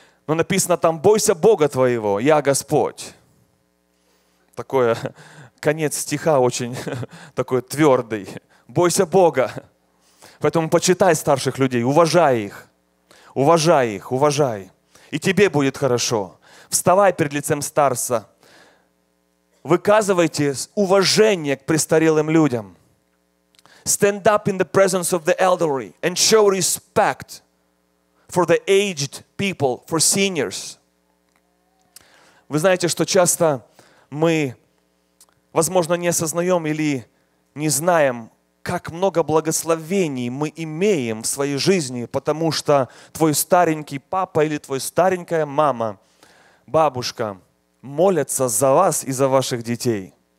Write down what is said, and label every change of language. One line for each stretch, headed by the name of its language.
Russian: Но написано там «Бойся Бога твоего, я Господь». Такое, конец стиха очень такой твердый. «Бойся Бога». Поэтому почитай старших людей, уважай их. Уважай их, уважай. И тебе будет хорошо. Вставай перед лицем старца. Выказывайте уважение к престарелым людям.
English: Stand up in the presence of the elderly and show respect for the aged people, for seniors.
Russian: Вы знаете, что часто мы, возможно, не осознаем или не знаем, как много благословений мы имеем в своей жизни, потому что твой старенький папа или твоя старенькая мама, бабушка, молятся за вас и за ваших детей.